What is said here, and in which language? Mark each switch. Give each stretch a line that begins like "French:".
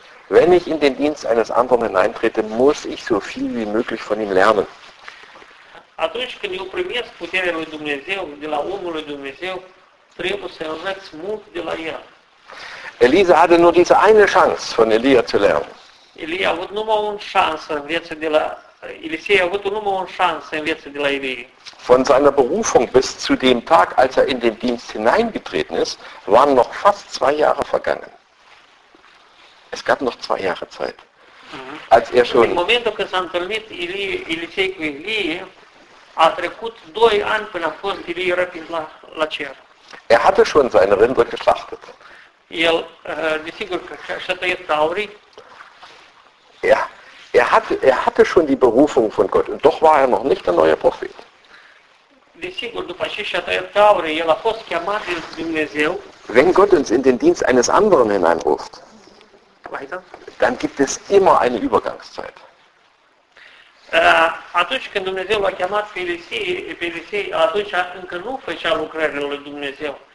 German: Wenn ich in den Dienst eines anderen hineintrete, muss ich so viel wie möglich von ihm lernen.
Romanian: Atunci când eu primesc puterea lui Dumnezeu, de la omul lui Dumnezeu, trebuie să învăț mult de la el.
German: Elisa hatte nur diese eine Chance, von Elia zu lernen.
Romanian: Elia avut numai o șansă în viață de la Elisei, a avut numai o șansă în viață de la Elie.
German: Von seiner Berufung bis zu dem Tag, als in den Dienst hineingetreten ist, waren noch fast 2 Jahre vergangen. Es gab noch 2 Jahre Zeit. Als schon
Romanian: in momentul când s-a întâlnit Elisei cu Elie, a trecut 2 ani până a fost Elie răpit la cer.
German: Er hatte schon seine Rinder geschlachtet.
Romanian: El, desigur, și-a tăiat taurii.
German: Ja, er hatte schon die Berufung von Gott und doch war er noch nicht der neue Prophet.
Romanian: Desigur, după ce și-a tăiat taurii, el a fost chemat de Dumnezeu.
German: Wenn Gott uns in den Dienst eines anderen hineinruft, dann gibt es immer eine Übergangszeit.
Romanian: Atunci când Dumnezeu l-a chemat pe Elisei, atunci încă nu făcea lucrările lui Dumnezeu.